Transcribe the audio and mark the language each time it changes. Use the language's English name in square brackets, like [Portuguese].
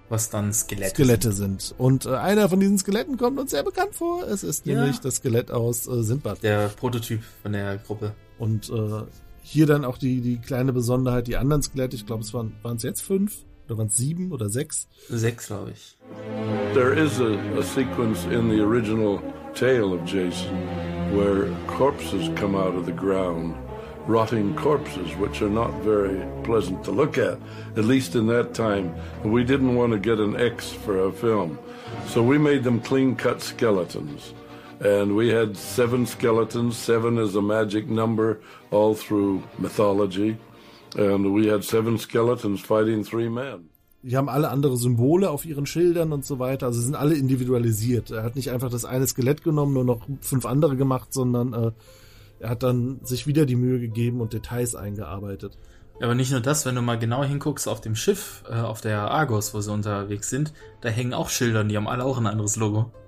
[German] was dann Skelette, Skelette sind. Und einer von diesen Skeletten kommt uns sehr bekannt vor. Es ist nämlich das Skelett aus Sindbad. Der Prototyp von der Gruppe. Und hier dann auch die kleine Besonderheit, die anderen Skelette, ich glaube, es waren es jetzt fünf oder waren es sieben oder sechs? Sechs, glaube ich. [English] There is a sequence in the original tale of Jason where corpses come out of the ground. Rotting corpses, which are not very pleasant to look at, at least in that time. We didn't want to get an X for our film. So we made them clean-cut skeletons. And we had seven skeletons, seven is a magic number all through mythology. And we had seven skeletons fighting three men. [German] Die haben alle andere Symbole auf ihren Schildern und so weiter. Also sie sind alle individualisiert. Er hat nicht einfach das eine Skelett genommen, nur noch fünf andere gemacht, sondern er hat dann sich wieder die Mühe gegeben und Details eingearbeitet. Aber nicht nur das, wenn du mal genau hinguckst auf dem Schiff, auf der Argos, wo sie unterwegs sind, da hängen auch Schilder und die haben alle auch ein anderes Logo.